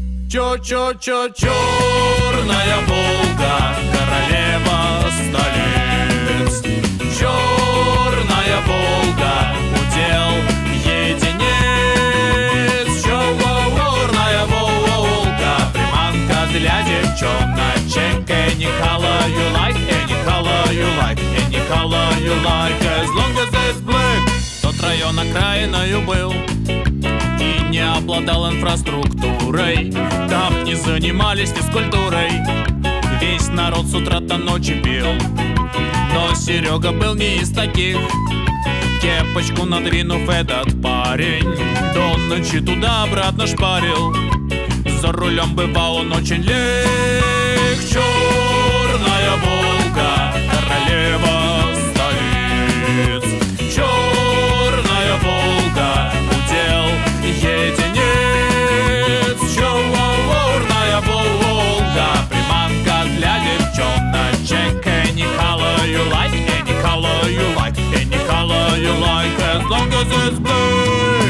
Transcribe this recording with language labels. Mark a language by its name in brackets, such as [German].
[Russian] Чо-чо-чо-черная Волга, королева столиц. Черная Волга, удел единиц. Черная Волга, приманка для девчоночек. [English] Any color you like, any color you like, any color you like, as long as it's black. [Russian] Тот район окраиною был и не обладал инфраструктурой, там не занимались физкультурой, весь народ с утра до ночи пил. Но Серега был не из таких, кепочку надвинув этот парень, до ночи туда-обратно шпарил, за рулем бывал он очень легче. Черная Волга, королева столиц. Черная Волга, удел единиц. Черная Волга, приманка для девчоночек. [English] Any color you like, any color you like, any color you like, as long as it's blue.